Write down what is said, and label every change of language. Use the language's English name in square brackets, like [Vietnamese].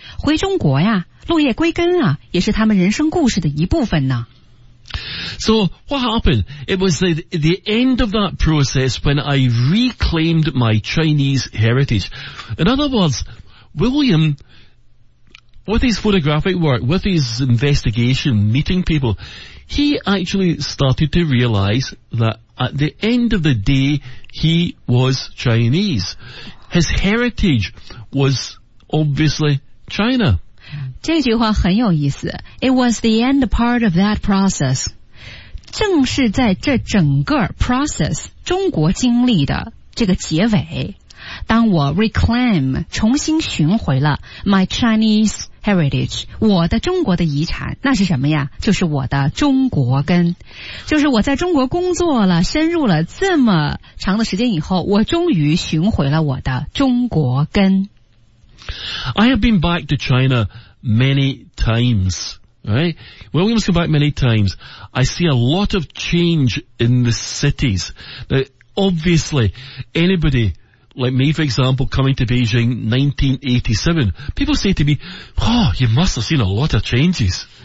[Chinese] 回中国呀，落叶归根啊，也是他们人生故事的一部分呢。 [English] So what happened? It was the end of that process when I reclaimed my Chinese heritage. In other words, William, with his photographic work, with his investigation, meeting people, he actually started to realize that at the end of the day, he was Chinese. His heritage was obviously China. [Chinese] 这句话很有意思。 [English] It was the end part of that process. [Chinese] 正是在这整个 process, 中国经历的这个结尾。当我 reclaim, 重新寻回了 [English] my Chinese heritage, [Chinese] 我的中国的遗产，那是什么呀？就是我的中国根。就是我在中国工作了，深入了这么长的时间以后，我终于寻回了我的中国根。 [English] I have been back to China many times, right? William's come back many times. I see a lot of change in the cities. Now, obviously, anybody like me, for example, coming to Beijing 1987, people say to me, oh, you must have seen a lot of changes.